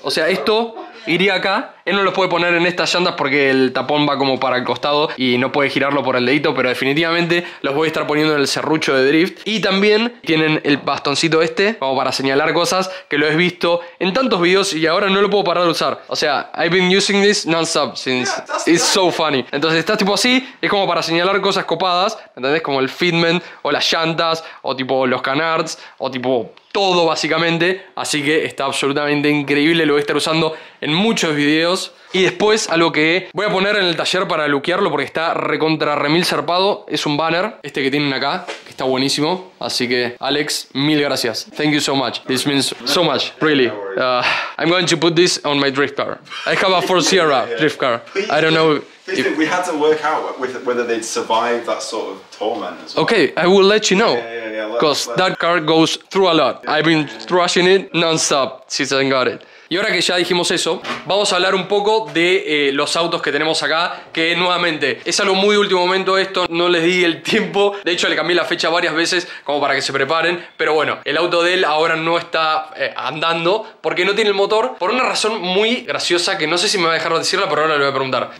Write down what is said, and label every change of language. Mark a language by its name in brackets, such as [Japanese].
[Spanish] O sea, esto iría acá. Él no los puede poner en estas llantas porque el tapón va como para el costado y no puede girarlo por el dedito, pero definitivamente los voy a estar poniendo en el serrucho de drift. Y también tienen el bastoncito este, como para señalar cosas, que lo he visto en tantos videos y ahora no lo puedo parar de usar. O sea, [English] I've been using this non-stop since. It's so funny. [Spanish] Entonces estás tipo así, es como para señalar cosas copadas, ¿entendés? Como el fitment, o las llantas, o tipo los canards, o tipo todo básicamente. Así que está absolutamente increíble, lo voy a estar usando en muchos videos. Y después algo que voy a poner en el taller para lookearlo, porque está recontra remil zarpado, es un banner, este que tienen acá, que está buenísimo. Así que Alex, mil gracias, [English] thank you so much, this means so much, really. I'm going to put this on my drift car. I have a Ford Sierra drift car. I don't know. If, we had to work out with whether they'd survive that sort of torment as well. Okay, I will let you know. Because that car goes through a lot. I've been thrashing it non-stop since I got it. [Spanish] Y ahora que ya dijimos eso, vamos a hablar un poco de los autos que tenemos acá, que nuevamente, es algo muy de último momento esto, no les di el tiempo, de hecho le cambié la fecha varias veces como para que se preparen, pero bueno, el auto de él ahora no está andando porque no tiene el motor, por una razón muy graciosa que no sé si me va a dejar decirla, pero ahora le voy a preguntar.